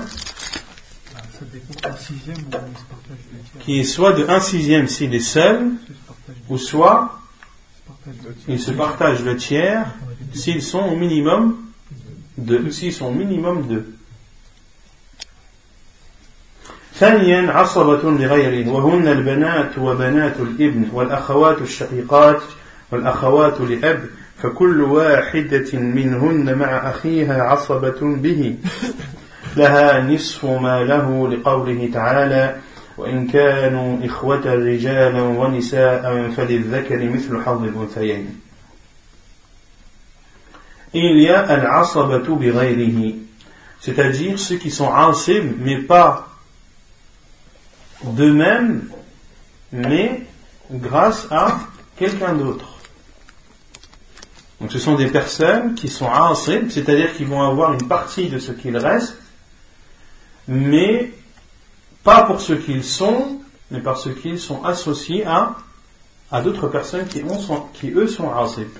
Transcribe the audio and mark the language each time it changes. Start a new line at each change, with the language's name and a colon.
French: Ça dépend, un sixième ou il se partage le tiers. Qui est soit de un sixième s'il est seul, ou soit il se partage le tiers s'ils sont au minimum deux. S'ils sont au minimum deux.
Arabic: ثانيا عصبة لغير وهن البنات وبنات الابن والأخوات الشقيقات والأخوات لأب فكل واحدة منهن مع أخيها عصبة به لها نصف ما له لقوله تعالى وإن كانوا إخوة رجالا ونساء فللذكر مثل حظ الأنثيين.
French: Il y a العصبة بغيره, c'est-à-dire ceux qui sont عصب mais pas d'eux-mêmes, mais grâce à quelqu'un d'autre. Donc ce sont des personnes qui sont ansib, c'est-à-dire qui vont avoir une partie de ce qu'il reste, mais pas pour ce qu'ils sont, mais parce qu'ils sont associés à d'autres personnes qui eux sont ansib.